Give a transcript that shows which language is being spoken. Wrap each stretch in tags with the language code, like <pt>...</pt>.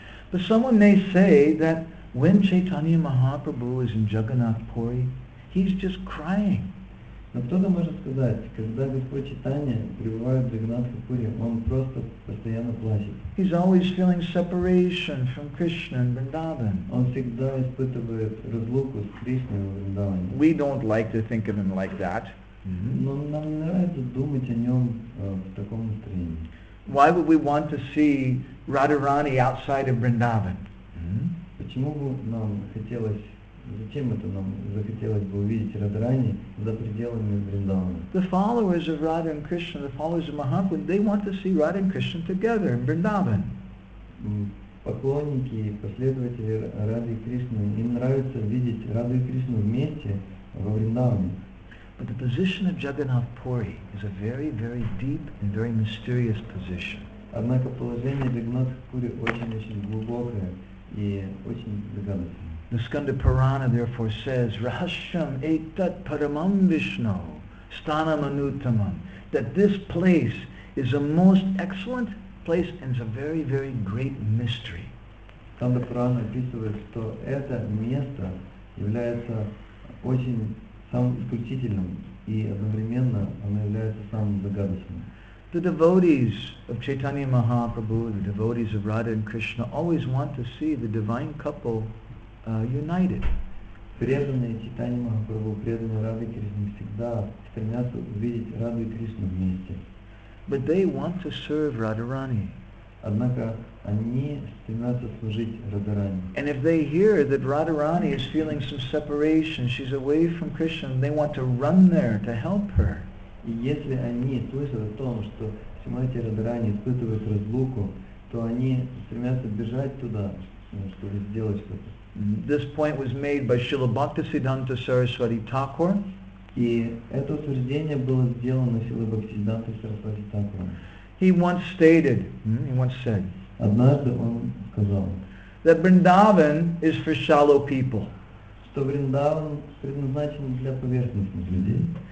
<en>But someone may say that when Chaitanya Mahaprabhu is in Jagannath Puri, he's just crying.</en> <ru>Но кто-то может сказать, когда Господь Чайтанья пребывает в Джаганнатхе Пури, он просто постоянно плачет.</ru> <en>He's always feeling separation from Krishna and Vrindavan.</en> <ru>Он всегда испытывает разлуку с Кришной и Вриндаваном.</ru> <en>We don't like to think of him like that.</en> <ru>Но нам не нравится думать о нем в таком настроении.</ru> <en>Why would we want to see Radharani outside of Vrindavan?</en> <ru>Почему бы нам хотелось, зачем это нам захотелось бы увидеть Радхарани за пределами Вриндавана?</ru> <en>The followers of Radha and Krishna, the followers of Mahaprabhu, they want to see Radha and Krishna together in Vrindavan.</en> <ru>Поклонники, последователи Радхи и Кришны, им нравится видеть Радху и Кришну вместе во Вриндаване.</ru> <en>But the position of Jagannath Puri is a very, very deep and very mysterious position.</en> <ru>Однако положение Джагнатха Пури очень-очень глубокое.</ru> <en>The Skanda Purana therefore says,</en> <sa>Rahasyam etat paramam Vishnu stanam anuttamam,</sa> <en>that this place is a most excellent place and is a very, very great mystery.</en> <ru>Skanda Purana описывает, что это место является очень самым исключительным и одновременно оно является самым загадочным.</ru> <en>The devotees of Chaitanya Mahaprabhu, the devotees of Radha and Krishna, always want to see the divine couple united.</en> <ru>Преданные Чайтанья Махапрабху, преданные Радхе и Кришне всегда стремятся увидеть Радху и Кришну вместе.</ru> <en>But they want to serve Radharani.</en> <ru>Однако они стремятся служить Радхарани.</ru> <en>And if they hear that Radharani is feeling some separation, she's away from Krishna, they want to run there to help her.</en> <ru>И если они слышат о том, что Шримати Радхарани испытывает разлуку, то они стремятся бежать туда, чтобы сделать что-то.</ru> <en>This point was made by Srila Bhaktisiddhanta Saraswati Thakur.</en> <ru>И это утверждение было сделано Шрилой Бхактисиддханта Сарасвати Такуром.</ru> <en>He once stated, he once said,</en> <ru>однажды он сказал,</ru> <en>that Vrindavan is for shallow people.</en> <ru>Что Вриндаван предназначен для поверхностных людей.</ru>